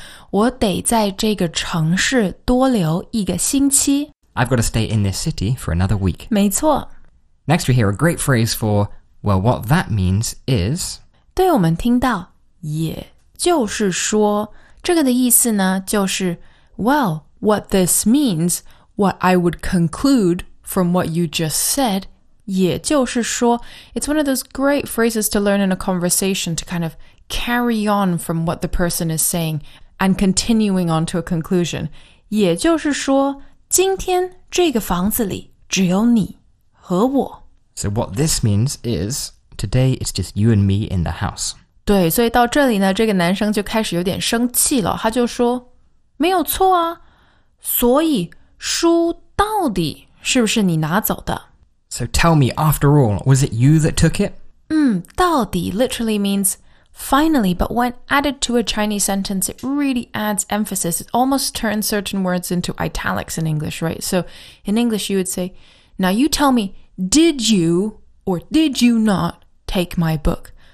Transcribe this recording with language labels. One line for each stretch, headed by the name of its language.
Chinese: 我得在这个城市多留一个星期。
English: I've got to stay in this city for another week.
Chinese: 没错。
English: Next we hear a great phrase for, well, what that means is...
Chinese: 对我们听到也就是说这个的意思呢就是
English: well, what this means, what I would conclude from what you just said,也就是说 it's one of those great phrases to learn in a conversation to kind of carry on from what the person is saying and continuing on to a conclusion.
Chinese: 也就是说今天这个房子里只有你和我。
English: So what this means is, today it's just you and me in the house.
Chinese: 对，所以到这里呢，这个男生就开始有点生气了，他就说，没有错啊，所以书到底是不是你拿走的
English: So tell me, after all, was it you that took it? 到底 literally means finally, but when added to a Chinese sentence, it really adds emphasis. It almost turns certain words into italics in English, right? So in English, you would say, now you tell me, did you or did you not take my book?